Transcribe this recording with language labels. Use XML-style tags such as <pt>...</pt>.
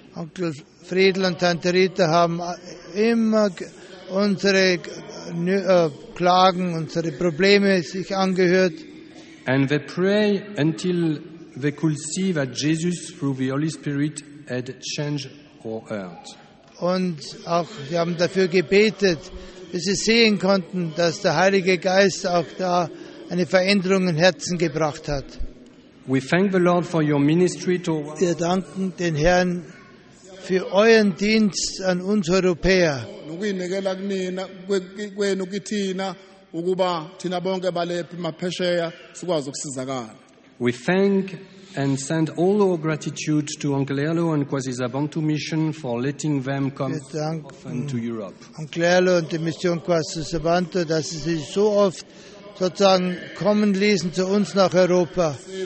<de>Onkel Friedel und Tante Rita haben immer unsere Klagen, unsere Probleme sich angehört.</de> <en>And they pray until they could see that Jesus through the Holy Spirit had changed our heart.</en> <de>Und auch wir haben dafür gebetet, dass sie sehen konnten, dass der Heilige Geist auch da eine Veränderung in Herzen gebracht hat.</de> <en>We thank the Lord for your ministry to us.</en> <de>Wir danken den Herrn für euren Dienst an uns Europäer.</de> <zu>Nokuyinikela kunina kwenu kithina ukuba thina bonke balephi maphesheya sikwazi ukusizakala.</zu> <en>We thank and send all our gratitude to Uncle Erlo and Kwasi Zabantu Mission for letting them come often to Europe.</en> <de>Uncle Erlo und die Mission Kwasi Zabantu, dass sie sich so oft sozusagen kommen ließen zu uns nach Europa.</de>